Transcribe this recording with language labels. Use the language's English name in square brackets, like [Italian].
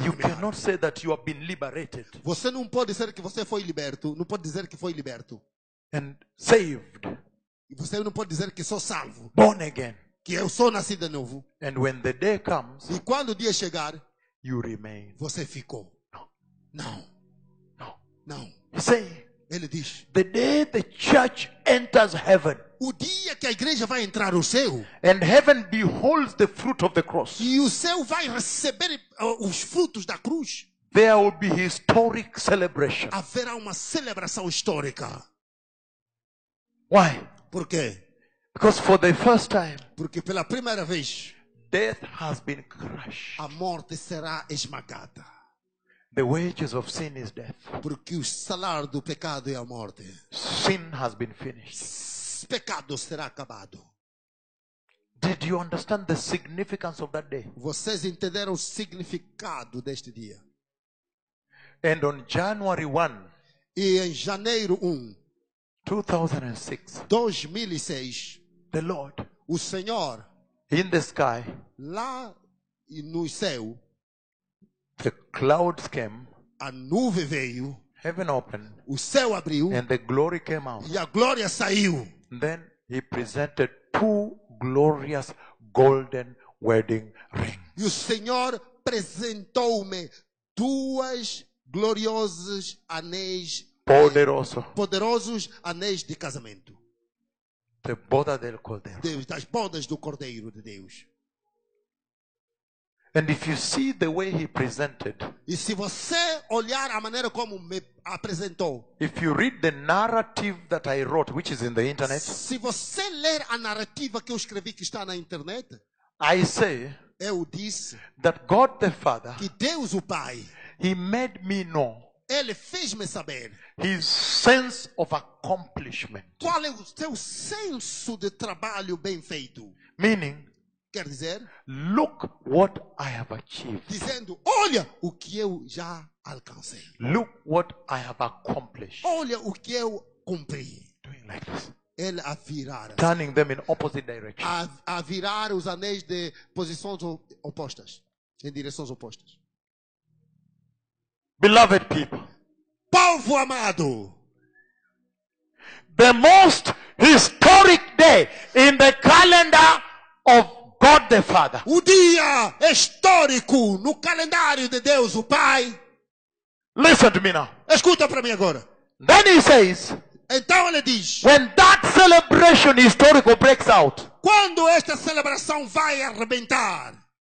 [English] You cannot say that you have been liberated. [Portuguese] Você não pode dizer que você foi liberto. Não pode dizer que foi liberto. [English] And saved. [Portuguese] Você não pode dizer que sou salvo. [English] Born again. [Portuguese] Que eu sou nascido de novo. [English] And when the day comes. [Portuguese] E quando o dia chegar. [English] You remain. [Portuguese] Você ficou. [English] No. [Portuguese] Não. [English] No. [Portuguese] Não. [English] Say. [Portuguese] Ele diz, [English] the day the church enters heaven, [Portuguese] o dia que a igreja vai entrar no céu, [English] and heaven beholds the fruit of the cross, [Portuguese] e o céu vai receber os frutos da cruz, [English] there will be historic celebration. [Portuguese] Haverá uma celebração histórica. [English] Why? [Portuguese] Por quê? [English] Because for the first time, [Portuguese] porque pela primeira vez, [English] death has been crushed. [Portuguese] A morte será esmagada. [English] The wages of sin is death. [Portuguese] Porque o salário do pecado é a morte. [English] Sin has been finished. [Portuguese] Pecado será acabado. [English] Did you understand the significance of that day? [Portuguese] Vocês entenderam o significado deste dia? [English] And on January 1, [Portuguese] e em janeiro [English] 2006, the Lord, [Portuguese] o Senhor, [English] in the sky, [Portuguese] lá no céu. [English] The clouds came. [Portuguese] A nuvem veio. [English] Heaven opened. [Portuguese] O céu abriu. [English] And the glory came out. [Portuguese] E a glória saiu. [English] Then he presented two glorious golden wedding rings. [Portuguese] E o Senhor apresentou-me duas gloriosas anéis. Poderoso. Poderosos anéis de casamento. The boda del cordeiro. Deus, das bodas do cordeiro de Deus. [English] And if you see the way he presented, [Portuguese] e se você olhar a maneira como me apresentou, [English] if you read the narrative that I wrote, which is in the internet, [Portuguese] se você ler a narrativa que eu escrevi que está na internet, [English] I say, [Portuguese] eu disse, [English] that God the Father, [Portuguese] que Deus o Pai, [English] he made me know, [Portuguese] ele fez-me saber, [English] his sense of accomplishment, [Portuguese] qual é o seu senso de trabalho bem feito, [English] meaning. [Portuguese] Quer dizer, [English] look what I have achieved. [Portuguese] Dizendo, olha o que eu já alcancei. [English] Look what I have accomplished. [Portuguese] Olha o que eu cumpri. [English] Doing like this. [Portuguese] Ele a virar. [English] Turning them in opposite direction. [Portuguese] A virar os anéis de posições opostas, em direções opostas. [English] Beloved people. [Portuguese] Povo amado. [English] The most historic day in the calendar of God the Father. [Portuguese] O dia histórico no calendário de Deus o Pai. [English] Listen to me now. [Portuguese] Escuta para mim agora. [English] Then he says. [Portuguese] Então ele diz. [English] When that celebration historical breaks out. [Portuguese] Quando esta celebração vai arrebentar.